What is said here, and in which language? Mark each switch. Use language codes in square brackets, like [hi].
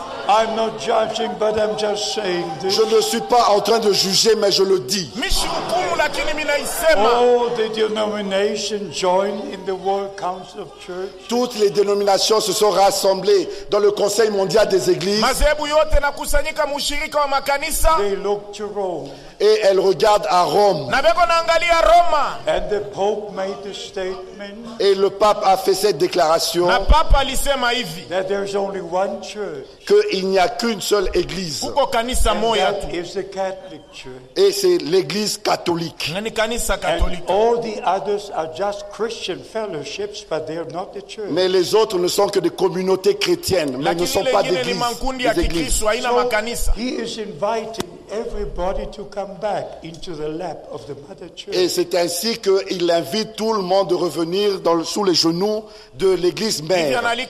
[en] I'm not judging, but I'm just saying this. [fr] Je ne suis pas en train de juger, mais je le dis. [en] All the denominations joined in the World Council of Church. [fr] Toutes les dénominations se sont rassemblées dans le Conseil mondial des églises. [en] They look to Rome. [fr] Et elle regarde à Rome. [en] And the Pope made the statement. [fr] Et le pape a fait cette déclaration. [en] That there is only one church. [fr] Qu'il n'y a qu'une seule église. [en] And that is the Catholic church. [fr] Et c'est l'église catholique. [en] And all the others are just Christian fellowships, but they are not the church. [fr] Mais les autres ne sont que des communautés chrétiennes, mais ne sont pas des églises. [en] So he is inviting everybody to come back into the lap of the Mother Church. [fr] Et c'est ainsi qu'il invite tout le monde de revenir sous les genoux de l'église mère.